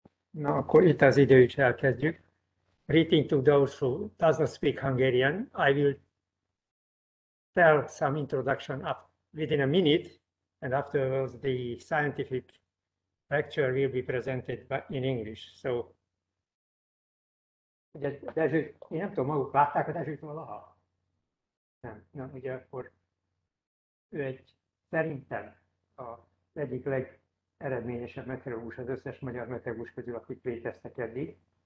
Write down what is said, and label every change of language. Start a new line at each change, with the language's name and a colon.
Hungarian: Na, akkor itt az idő is elkezdjük.
English: Greeting to those who does not speak Hungarian. I will tell some introduction up within a minute, and afterwards the scientific lecture will be presented in English.
Hungarian: So, ugye Dezső, én nem tudom, maguk látták a Dezsőt valaha? Nem, nem, ugye akkor ő egy szerintem az egyik legeredményesebb meteorológus az összes magyar meteorológus közül, akik léteztek eddig.